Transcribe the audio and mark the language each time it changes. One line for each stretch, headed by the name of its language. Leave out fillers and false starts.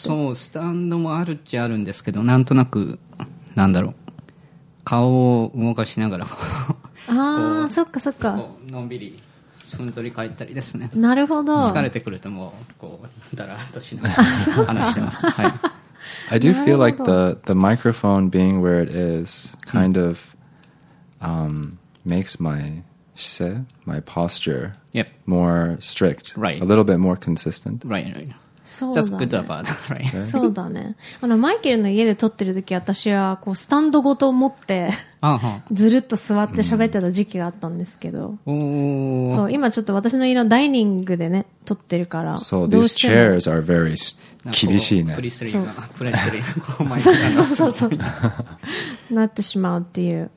Japanese: そう、スタンドもあるっちゃあるんですけど、なんとなく、なんだろう、顔を動かしながらあー、そっかそっか、のんびりふんぞり返ったりですね。なるほど。疲れてくるともうこうだらっとしながら話してます。はい。
English: I do feel like the microphone being where it is kind of makes my
Japanese: 姿勢
English: my posture more strict. Right. A little bit more consistent. Right. Right.
Japanese: そうだね。
English: That's good about right.
Japanese: そうだね。マイケルの家で撮ってる時、私はこうスタンドごと持って。ずるっと座って喋ってた時期があったんですけど、そう、今ちょっと私の家のダイニングでね撮ってるから、そう、
English: these chairs are very
Japanese: 厳しいね、プレスリーがそうそうそうなってしまうっていう、